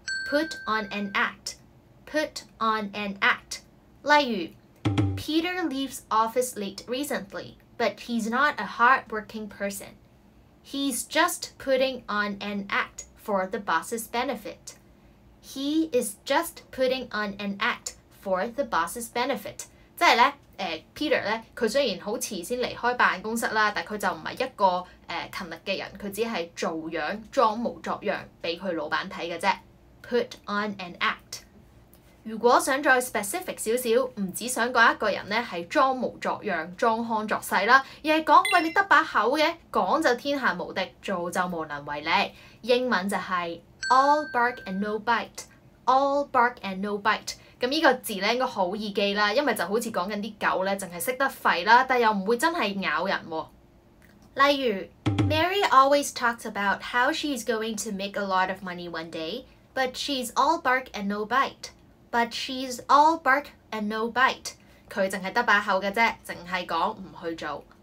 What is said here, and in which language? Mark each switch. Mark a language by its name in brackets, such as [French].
[English] put on an act。 Put on an act。 [Cantonese] 例如 [English] ，Peter leaves office late recently, but he's not a hardworking person. He's just putting on an act for the boss's benefit. He is just putting on an act for the boss's benefit. [Cantonese] 即係咧，Peter 咧，佢雖然好遲先離開辦公室啦，但佢就唔係一個勤力嘅人，佢只係做樣裝模作樣俾佢老闆睇嘅啫。 [English] Put on an act。 [Cantonese] 如果想再 specific 少少，唔只想講一個人咧係裝模作樣、裝腔作勢啦，而係講喂你得把口嘅，講就天下無敵，做就無能為力。英文就係 [English] all bark and no bite， all bark and no bite。 [Cantonese] 咁呢個字咧應該好易記啦，因為就好似講緊啲狗咧，淨係識得吠啦，但又唔會真係咬人喎。例如 [English] ，Mary always talks about how she's going to make a lot of money one day， but she's all bark and no bite。 But she's all bark and no bite. [Cantonese] 佢淨係得把口嘅啫，淨係講唔去做。